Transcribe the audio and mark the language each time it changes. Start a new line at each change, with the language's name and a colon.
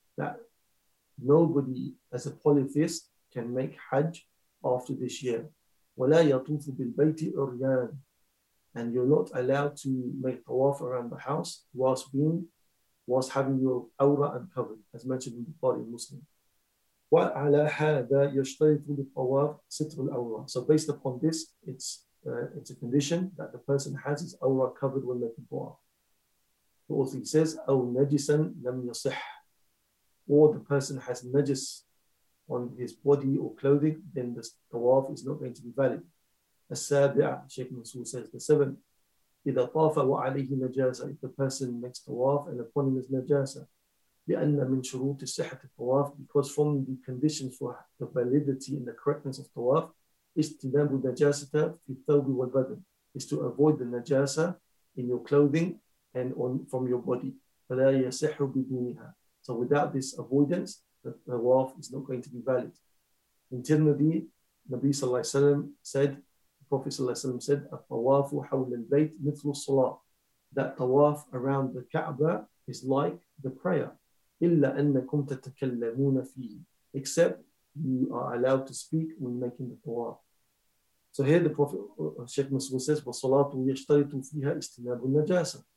English: That nobody as a polytheist can make Hajj after this year.
Arabic: وَلَا يَطُوفُ بِالْبَيْتِ عُرْيَانٌ.
English: And you're not allowed to make tawaf around the house whilst having your awra uncovered, as mentioned in Bukhari Muslim.
Arabic: وعلى هذا يشترط للطواف ستر الأورا.
English: So based upon this, it's a condition that the person has his awra covered when making tawaf. The author says,
Arabic: أو نجسا لم يصح.
English: Or the person has najis on his body or clothing, then the tawaf is not going to be valid.
Arabic: السابع,
English: Sheikh Mansour says, the seventh,
Arabic: إذا طاف وعليه نجاسة.
English: If the person makes tawaf and upon him is نجاسة.
Arabic: لِأَنَّ مِنْ شُرُوطِ صِحَةِ الطَّوَافِ.
English: Because from the conditions for the validity and the correctness of tawaf,
Arabic: اِجْتِنَابُ النَّجَاسَةَ فِي الثَّوْبِ وَالْبَدَنِ.
English: Is to avoid the najasa in your clothing and on from your body.
Arabic: فَلَا يَصِحُ بِدُونِهَا.
English: So without this avoidance, the tawaf is not going to be valid. In Tirmidhi, Nabi صلى الله عليه وسلم said, the Prophet صلى الله عليه وسلم said,
Arabic: أَطَّوَافُ حَوْلَ الْبَيْتِ مِثْلُ الصَّلَاةِ.
English: That tawaf around the Kaaba is like the prayer.
Arabic: إِلَّا أَنَّكُمْ تَتَكَلَّمُونَ فِيهِ.
English: Except you are allowed to speak when making the tawaf. So here the Prophet, Sheikh Mansour says,
Arabic: وَصَلَاةُ يَشْتَرِطُ فِيهَا إِسْتِنَابُ النَّجَاسَ.